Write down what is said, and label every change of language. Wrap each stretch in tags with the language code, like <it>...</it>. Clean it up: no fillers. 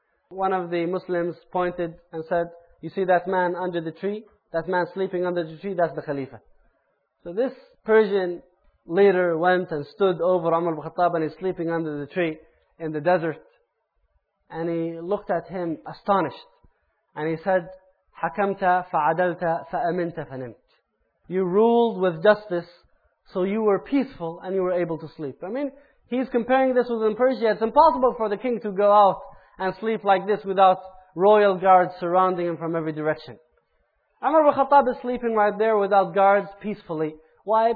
<en>One of the Muslims pointed and said, you see that man under the tree? That man sleeping under the tree, that's the Khalifa. So this Persian leader went and stood over Umar ibn Khattab and he's sleeping under the tree in the desert. And he looked at him astonished. And he said,</en> <ar>حَكَمْتَ فَعَدَلْتَ فَأَمِنْتَ فَنِمْتَ.</ar> <en>You ruled with justice, so you were peaceful and you were able to sleep. I mean, he's comparing this with in Persia. It's impossible for the king to go out and sleep like this without royal guards surrounding him from every direction. Umar ibn Khattab is sleeping right there without guards peacefully. Why?</en>